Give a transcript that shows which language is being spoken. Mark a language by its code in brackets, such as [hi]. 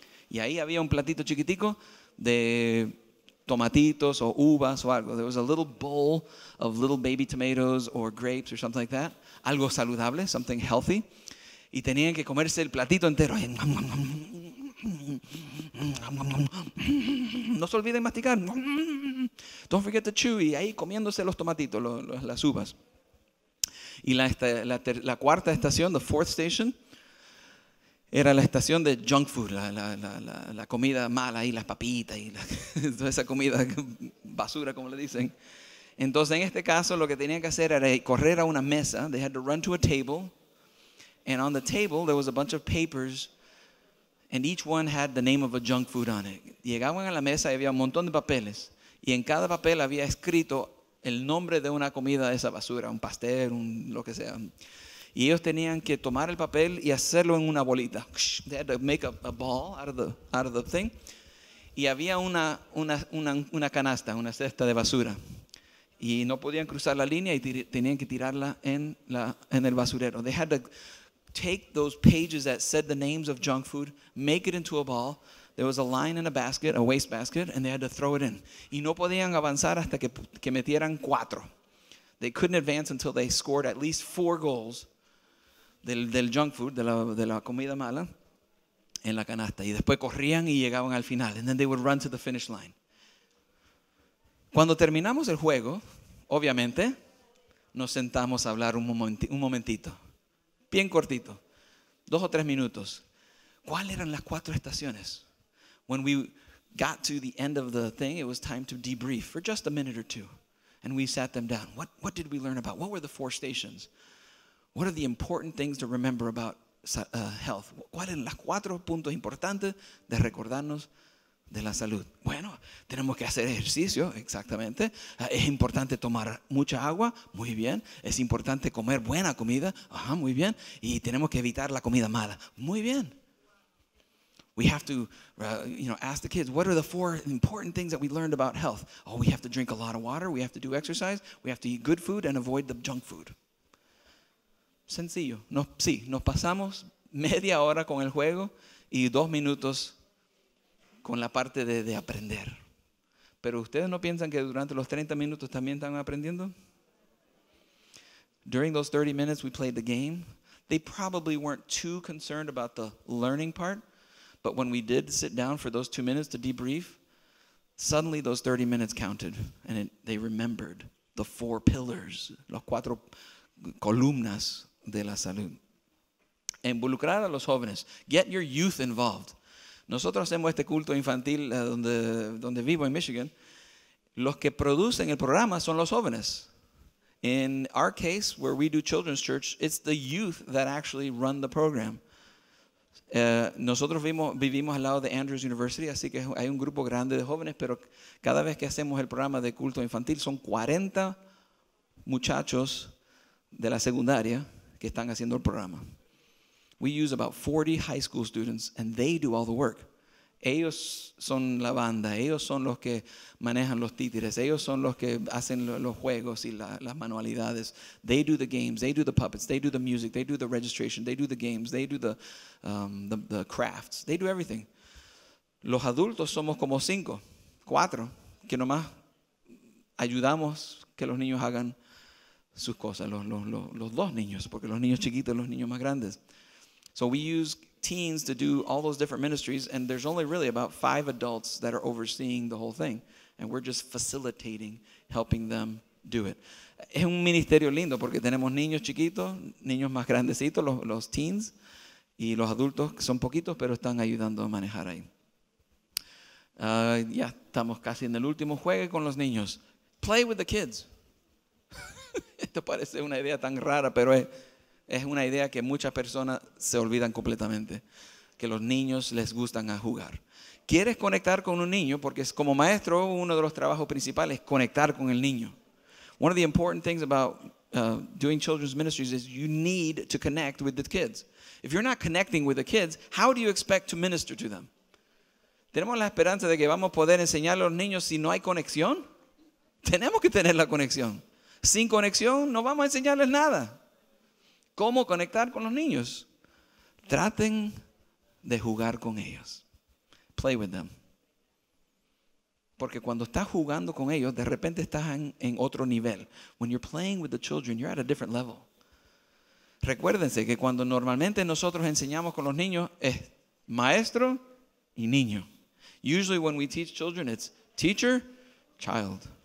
[es] Y ahí había un platito chiquitico de tomatitos o uvas o algo. [en] There was a little bowl of little baby tomatoes or grapes or something like that. [es] Algo saludable, [en] something healthy. [es] Y tenían que comerse el platito entero. No se olviden masticar. [en] Don't forget to chew. [es] Y ahí comiéndose los tomatitos, las uvas. Y la cuarta estación, [en] the fourth station, [es] era la estación de junk food, la comida mala y las papitas y toda esa comida basura, como le dicen. Entonces, en este caso, lo que tenían que hacer era correr a una mesa. [en] They had to run to a table. And on the table, there was a bunch of papers, and each one had the name of a junk food on it. [es] Llegaban a la mesa y había un montón de papeles, y en cada papel había escrito el nombre de una comida de esa basura, un pastel, un lo que sea. Y ellos tenían que tomar el papel y hacerlo en una bolita. [en] They had to make a ball out of the thing. [es] Y había una canasta, una cesta de basura. Y no podían cruzar la línea y tenían que tirarla en el basurero. [en] They had to take those pages that said the names of junk food, make it into a ball. There was a line in a basket, a waste basket, and they had to throw it in. [es] Y no podían avanzar hasta que metieran cuatro. [en] They couldn't advance until they scored at least 4 goals del junk food, [es] de la comida mala, en la canasta. Y después corrían y llegaban al final. [en] And then they would run to the finish line. [es] Cuando terminamos el juego, obviamente, nos sentamos a hablar un momentito. Bien cortito. 2 o 3 minutos. ¿Cuáles eran las 4 estaciones? [en] When we got to the end of the thing, it was time to debrief for just a minute or two. And we sat them down. What did we learn about? What were the 4 stations? What are the important things to remember about health? [es] ¿Cuáles eran las 4 puntos importantes de recordarnos de la salud? Bueno, tenemos que hacer ejercicio, exactamente. Es importante tomar mucha agua, muy bien. Es importante comer buena comida, ajá, muy bien. Y tenemos que evitar la comida mala, muy bien. [en] We have to, ask the kids, what are the 4 important things that we learned about health? Oh, we have to drink a lot of water, we have to do exercise, we have to eat good food and avoid the junk food. [es] Sencillo. Nos pasamos media hora con el juego y 2 minutos con la parte de aprender. ¿Pero ustedes no piensan que durante los 30 minutos también están aprendiendo? [en] During those 30 minutes we played the game. They probably weren't too concerned about the learning part. But when we did sit down for those 2 minutes to debrief, suddenly those 30 minutes counted. And they remembered the 4 pillars, [es] los 4 columnas de la salud. Involucrar a los jóvenes. [en] Get your youth involved. [es] Nosotros hacemos este culto infantil donde vivo en Michigan. Los que producen el programa son los jóvenes. [en] In our case, where we do children's church, it's the youth that actually run the program. [es] Nosotros vivimos al lado de Andrews University, así que hay un grupo grande de jóvenes, pero cada vez que hacemos el programa de culto infantil son 40 muchachos de la secundaria que están haciendo el programa. [en] We use about 40 high school students and they do all the work. [es] Ellos son la banda, ellos son los que manejan los títeres, ellos son los que hacen los juegos y las manualidades. [en] They do the games, they do the puppets, they do the music, they do the registration, they do the games, they do the crafts, they do everything. [es] Los adultos somos como 4 que nomás ayudamos que los niños hagan sus cosas, los dos niños, porque los niños chiquitos y los niños más grandes. [en] So we use teens to do all those different ministries, and there's only really about 5 adults that are overseeing the whole thing. And we're just facilitating, helping them do it. [es] Es un ministerio lindo porque tenemos niños chiquitos, niños más grandecitos, los teens, y los adultos que son poquitos, pero están ayudando a manejar ahí. Ya estamos casi en el último. Juegue con los niños. [en] Play with the kids. [es] Esto parece una idea tan rara, pero es una idea que muchas personas se olvidan completamente, que los niños les gustan a jugar. ¿Quieres conectar con un niño? Porque como maestro, uno de los trabajos principales es conectar con el niño. [en] One of the important things about doing children's ministries is you need to connect with the kids. If you're not connecting with the kids, how do you expect to minister to them? [es] ¿Tenemos la esperanza de que vamos a poder enseñar a los niños si no hay conexión? Tenemos que tener la conexión. Sin conexión, no vamos a enseñarles nada. ¿Cómo conectar con los niños? Traten de jugar con ellos. [en] Play with them. [es] Porque cuando estás jugando con ellos, de repente estás en otro nivel. [en] When you're playing with the children, you're at a different level. [es] Recuérdense que cuando normalmente nosotros enseñamos con los niños, es maestro y niño. [en] Usually when we teach children, it's teacher, child.